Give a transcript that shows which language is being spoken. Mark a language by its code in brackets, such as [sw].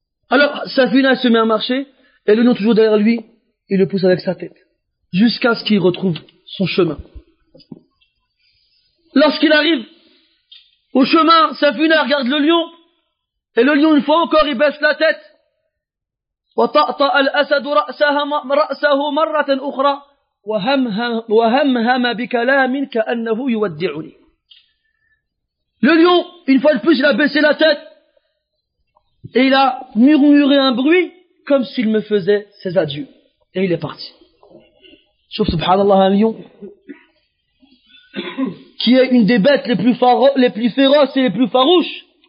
[fr] Alors, Safina se met à marcher, et le lion toujours derrière lui, il le pousse avec sa tête. Jusqu'à ce qu'il retrouve son chemin. Lorsqu'il arrive au chemin, sa funa regarde le lion, et le lion une fois encore il baisse la tête. [ar] وطأطأ الأسد رأسه مرة أخرى وهمهم بكلام كأنه يودعني. [fr] Le lion, une fois de plus, il a baissé la tête et il a murmuré un bruit comme s'il me faisait ses adieux. Et il est parti. Sauf, subhanallah, un lion qui est une des bêtes les plus féroces et les plus farouches.